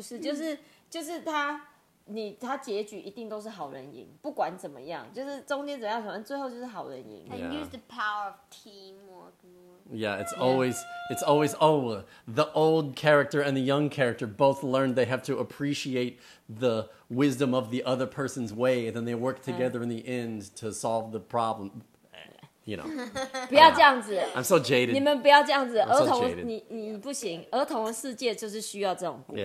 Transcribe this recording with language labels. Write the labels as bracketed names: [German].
[Chinese] 就是老掉牙，就是这种老掉牙齿都掉下来，那叫老掉牙的故事。就是它。他结局一定都是好人赢，不管怎么样，就是中间怎样，反正最后就是好人赢。 [English] And use the power of teamwork. Yeah, it's always oh, the old character and the young character both learned they have to appreciate the wisdom of the other person's way, and then they work together in the end to solve the problem. You know. [Chinese] 不要这样子。 [English] I'm so jaded. [Chinese] 你们不要这样子。儿童，你不行。儿童的世界就是需要这种故事。